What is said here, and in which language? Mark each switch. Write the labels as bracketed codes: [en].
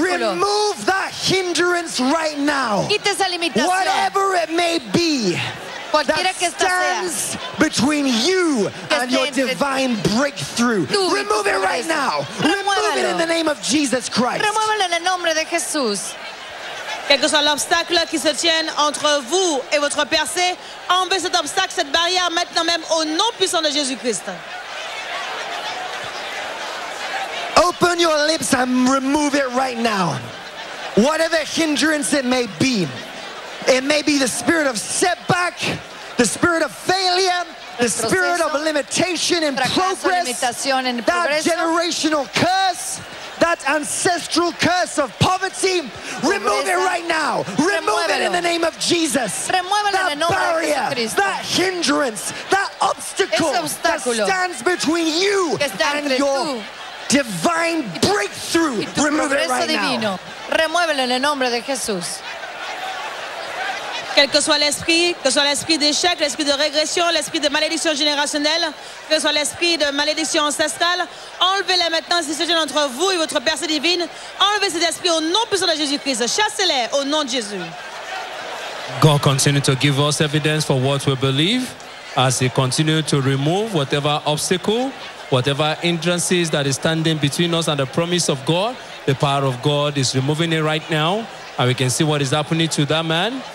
[en] Remove that hindrance right now. Whatever it may be. That stands between you and your divine breakthrough. Remove it right now. Remove it in the name of Jesus Christ. [es] Remuévelo en el nombre de Jesús. [fr] Quel que soit l'obstacle qui se tienne entre vous et votre percée, enlevez cet obstacle, cette barrière maintenant même au nom puissant de Jésus Christ. [en] Open your lips and remove it right now. Whatever hindrance it may be. It may be the spirit of setback, the spirit of failure, the spirit of limitation and progress, that generational curse, that ancestral curse of poverty, remove it right now. Remove it in the name of Jesus. That barrier, that hindrance, that obstacle that stands between you and your divine breakthrough, remove it right now. [es] Remuévelo en el nombre de Jesús. [fr] Quel que soit l'esprit d'échec, l'esprit de régression, l'esprit de malédiction générationnelle, que soit l'esprit de malédiction ancestrale, enlevez-les maintenant si se tiennent entre vous et votre percée divine. Enlevez cet esprit au nom puissant de Jésus-Christ. Chassez-les au nom de Jésus. [en] God continue to give us evidence for what we believe as He continues to remove whatever obstacle, whatever hindrances that is standing between us and the promise of God. The power of God is removing it right now. And we can see what is happening to that man.